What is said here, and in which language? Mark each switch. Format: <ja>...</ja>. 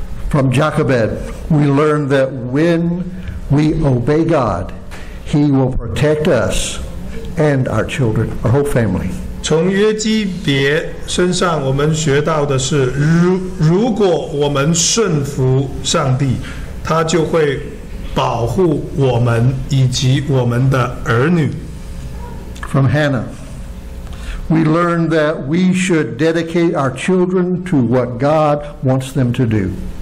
<en>From Jochebed, we learn that when we obey God, He will protect us and our children, our whole family.</en> <zh>从约基别身上，我们学到的是，如果我们顺服上帝，他就会保护我们以及我们的儿女。</zh> <en>From Hannah, we learn that we should dedicate our children to what God wants them to do.</en>